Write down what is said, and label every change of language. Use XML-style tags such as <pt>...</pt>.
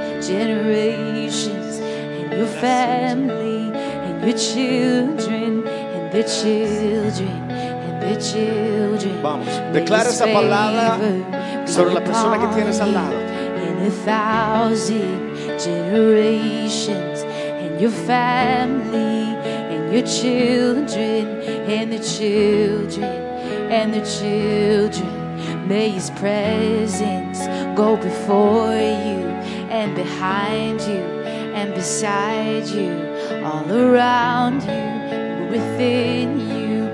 <en>generations, and your family, and your children, and their children, and their children.</en> <es>Vamos, declara esa palabra sobre la persona que tienes al lado.</es> <en>In a thousand generations, and your family, and your children, and their children, and their children. May his presence go before you and behind you and beside you, all around you, within you.</en>